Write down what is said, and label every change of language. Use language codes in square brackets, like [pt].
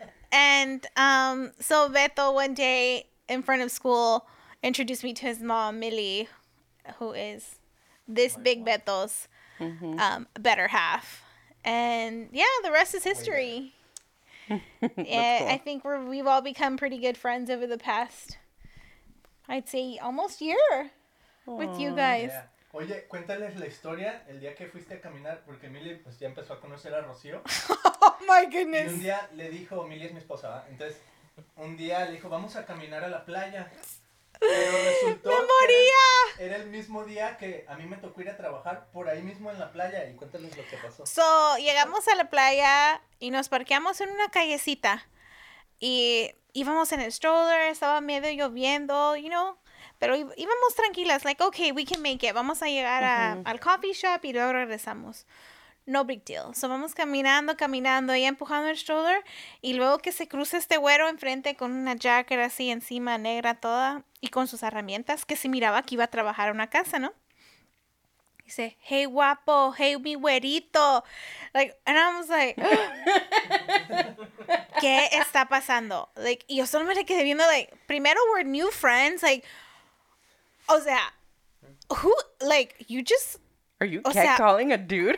[en] And so Beto one day in front of school introduced me to his mom, Millie, who is this my big mom. Beto's. Mm-hmm. Better half. And yeah, the rest is history. Yeah, cool. I think we've all become pretty good friends over the past, I'd say, almost year. Aww. With you guys. Yeah. [es] Oye, cuéntales la historia el día que fuiste a caminar, porque Emily pues ya empezó a conocer a Rocío. [en] Oh my goodness. [es] Y un día le dijo, Emily es mi esposa, ¿verdad? Entonces, un día le dijo, vamos a caminar a la playa. Pero resultó ¡me moría! Que era el mismo día que a mí me tocó ir a trabajar por ahí mismo en la playa. Y cuéntales lo que pasó. So, llegamos a la playa y nos parqueamos en una callecita. Y íbamos en el stroller, estaba medio lloviendo, [en] you know. [es] Pero íbamos tranquilas, [en] like, okay, we can make it. [es] Vamos a llegar al coffee shop y luego regresamos. [en] No big deal. [es] So, vamos caminando, ella empujando el stroller. Y luego que se cruza este güero enfrente con una jacket así encima, negra toda. Y con sus herramientas, que se miraba que iba a trabajar a una casa, ¿no? Dice, hey, guapo, hey, mi güerito. [en] Like, and I was like, [es] ¿qué está pasando? Like, y yo solo me quedé viendo, like, primero, [en] we're new friends. Like, [es] o sea, [en] who, like, you just... Are you catcalling a dude?